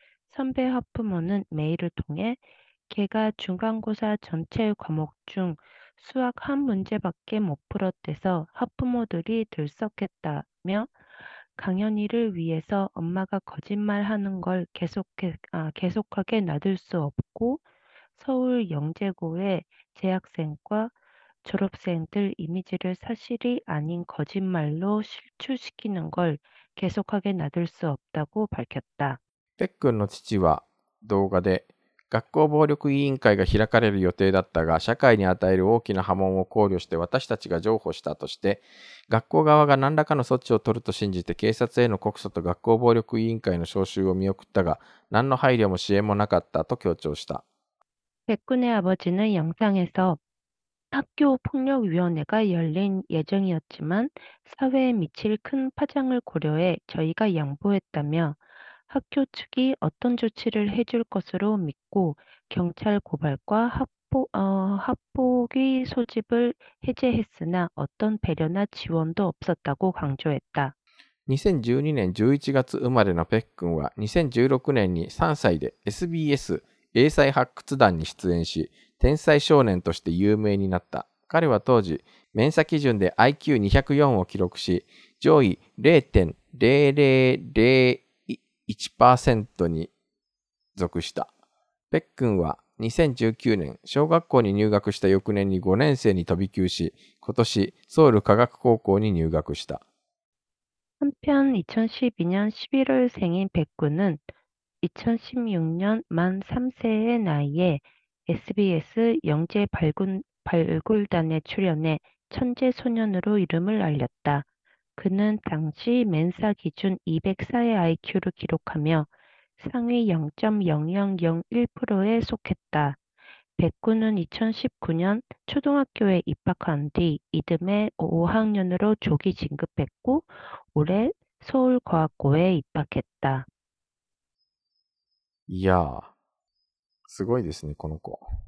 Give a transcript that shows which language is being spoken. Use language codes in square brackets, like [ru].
[ko] 선배 학부모는 메일을 통해 걔가 중간고사 전체 과목 중 수학 한 문제밖에 못 풀었대서 학부모들이 들썩했다며 강연이를 위해서 엄마가 거짓말하는 걸 계속하게 놔둘 수 없고 서울 영재고의 재학생과 졸업생들 이미지를 사실이 아닌 거짓말로 실추시키는 걸 계속하게 놔둘 수 없다고 밝혔다. [ja] 백君の父は動画で学校暴力委員会が開かれる予定だったが、社会に与える大きな波紋を考慮して私たちが譲歩したとして、学校側が何らかの措置を取ると信じて警察への告訴と学校暴力委員会の招集を見送ったが、何の配慮も支援もなかったと強調した。 [ko] 백군의 아버지는 영상에서 학교폭력위원회가 열릴 예정이었지만 사회에 미칠 큰 파장을 고려해 저희가 양보했다며 학교 측이 어떤 조치를 해줄 것으로 믿고 경찰 고발과 학폭위 소집을 해제했으나 어떤 배려나 지원도 없었다고 강조했다. [ja] 2012年11月生まれのペックンは、2016年に3歳で SBS 英才発掘団に出演し、天才少年として有名になった。彼は当時、メンサ基準で IQ204 を記録し、上位0.0001%に属した。ペックンは2019年、小学校に入学した翌年に5年生に飛び級し、今年、ソウル科学高校に入学した。 [ko] 한편 2012년 11월생인 백군은 2016년 만 3세의 나이에 SBS 영재 발굴단에 출연해 천재 소년으로 이름을 알렸다. 그는 당시 멘사 기준 204의 IQ를 기록하며 상위 0.0001%에 속했다. 백군은 2019년 초등학교에 입학한 뒤 이듬해 5학년으로 조기 진급했고 올해 서울과학고에 입학했다. [ja] いやー、すごいですね、この子。